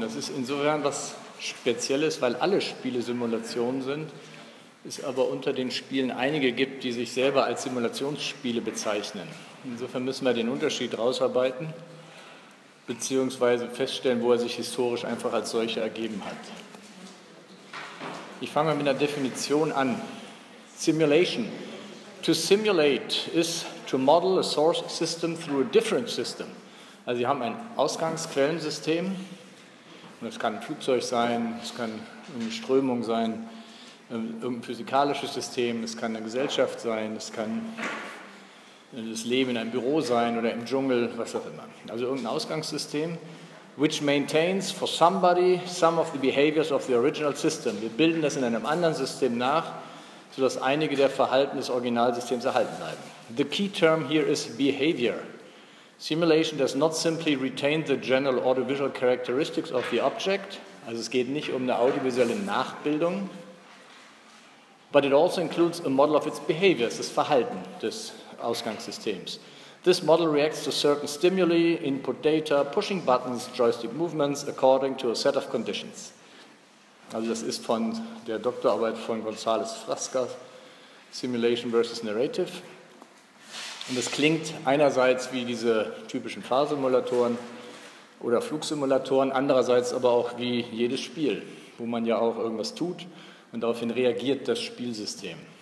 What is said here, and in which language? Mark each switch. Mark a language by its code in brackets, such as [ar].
[de] Das ist insofern was Spezielles, weil alle Spiele Simulationen sind, es aber unter den Spielen einige gibt, die sich selber als Simulationsspiele bezeichnen. Insofern müssen wir den Unterschied rausarbeiten, beziehungsweise feststellen, wo er sich historisch einfach als solcher ergeben hat. Ich fange mal mit einer Definition an. Simulation. [en] To simulate is to model a source system through a different system. [de] Also Sie haben ein Ausgangsquellensystem, und es kann ein Flugzeug sein, es kann eine Strömung sein, irgendein physikalisches System, es kann eine Gesellschaft sein, es kann das Leben in einem Büro sein oder im Dschungel, was auch immer. Also irgendein Ausgangssystem, [en] which maintains for somebody some of the behaviors of the original system. [de] Wir bilden das in einem anderen System nach, sodass einige der Verhalten des Originalsystems erhalten bleiben. [en] The key term here is behavior. Simulation does not simply retain the general audiovisual characteristics of the object. [de] Also es geht nicht um eine audiovisuelle Nachbildung. [en] But it also includes a model of its behaviors, [de] das Verhalten des Ausgangssystems. [en] This model reacts to certain stimuli, input data, pushing buttons, joystick movements, according to a set of conditions. [de] Also das ist von der Doktorarbeit von González Frasca, Simulation versus Narrative. Und das klingt einerseits wie diese typischen Fahrsimulatoren oder Flugsimulatoren, andererseits aber auch wie jedes Spiel, wo man ja auch irgendwas tut und daraufhin reagiert das Spielsystem.